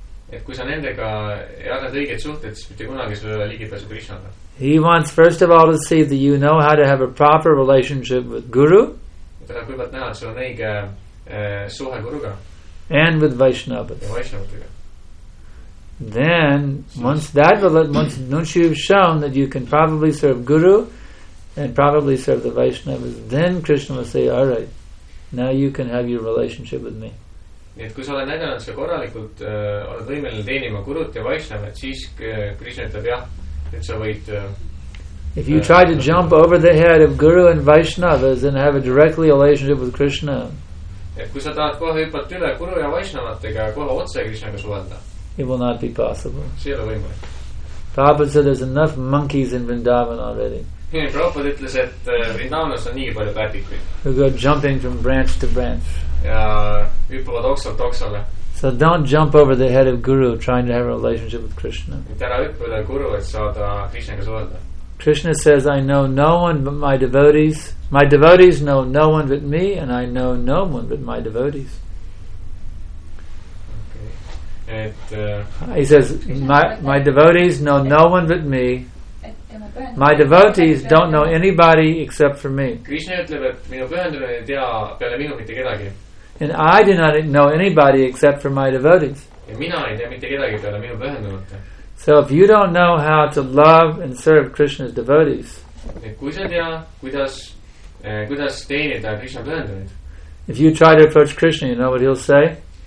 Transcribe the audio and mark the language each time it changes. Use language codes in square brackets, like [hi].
[en] He wants first of all to see that you know how to have a proper relationship with Guru and with Vaishnavas. Then once you've shown that you can probably serve Guru and probably serve the Vaishnavas, then Krishna will say, all right, now you can have your relationship with me. [et] Et kui sa oled näidanud see korralikult, oled võimeline teenima Gurut ja Vaishnavat, siis Krishna ütleb, jah, et sa võid. [en] If you try to jump over the head of Guru and Vaishnavas and have a directly relationship with Krishna, [et] et kui sa tahad kohe hüppat üle Guru ja Vaishnavatega ja kohe otse Krishnaga suhelda, [en] it will not be possible. [et] See ei ole võimalik. [en] Prabhupada said there's enough monkeys in Vrindavan already. [et] Prabhupada ütles, et Vrindavanas on nii palju päpikuid. [en] Who go jumping from branch to branch. [et] Ja hüppavad oksalt oksale. [en] So don't jump over the head of Guru trying to have a relationship with Krishna. [et] Et ära hüppa üle Guru, et saada Krishnaga suhelda. [en] Krishna says, I know no one but my devotees. My devotees know no one but me, and I know no one but my devotees. Okay. He says, my devotees know no one but me. My devotees don't know anybody except for me. [et] Krishna ütleb, et minu pühendunud ei tea peale minu mitte kedagi. [en] And I do not know anybody except for my devotees. [et] Ja mina ei tea mitte kedagi peale minu pühendunud. [en] So if you don't know how to love and serve Krishna's devotees, if you try to approach Krishna, you know what he'll say?